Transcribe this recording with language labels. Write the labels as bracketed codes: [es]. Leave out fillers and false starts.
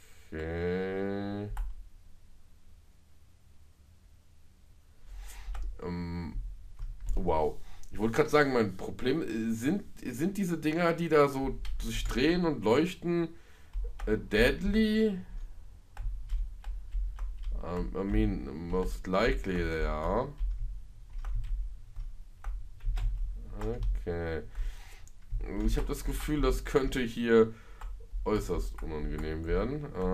[de] Okay. Wow. Ich wollte gerade sagen, mein Problem sind diese Dinger, die da so sich drehen und leuchten, deadly? [en] mean, most likely, they are. Okay. [de] Ich habe das Gefühl, das könnte hier äußerst unangenehm werden.